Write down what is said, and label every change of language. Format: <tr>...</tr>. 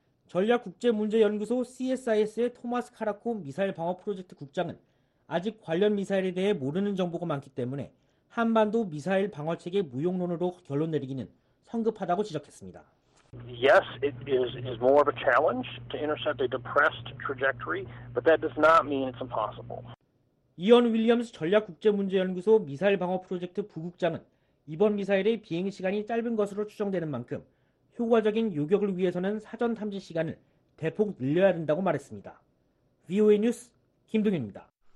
<ko>전략국제문제연구소 CSIS의 토마스 카라코 미사일 방어 프로젝트 국장은 아직 관련 미사일에 대해 모르는 정보가 많기 때문에 한반도 미사일 방어체계 무용론으로 결론 내리기는 성급하다고 지적했습니다.</ko> <en>Yes, it is more of a challenge to intercept a depressed trajectory, but that does not mean it's impossible.</en> <ko>이언 윌리엄스 전략국제문제연구소 미사일 방어 프로젝트 부국장은 이번 미사일의 비행 시간이 짧은 것으로 추정되는 만큼 효과적인 요격을 위해서는 사전 탐지 시간을 대폭 늘려야 된다고 말했습니다. VOA 뉴스 김동윤입니다.</ko>